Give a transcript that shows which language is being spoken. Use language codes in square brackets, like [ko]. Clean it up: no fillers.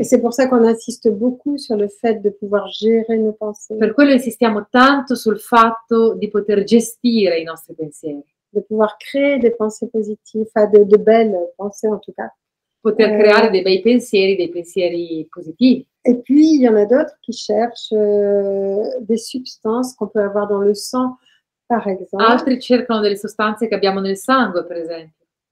[fr] Et c'est pour ça qu'on insiste beaucoup sur le fait de pouvoir gérer nos pensées. [it] Per quello insistiamo tanto sul fatto di poter gestire i nostri pensieri. [fr] De pouvoir créer des pensées positives, de belles pensées en tout cas. [it] Poter creare dei bei pensieri, dei pensieri positivi. [fr] Et puis il y en a d'autres qui cherchent des substances qu'on peut avoir dans le sang, par exemple. [it] Altri cercano delle sostanze che abbiamo nel sangue, per esempio.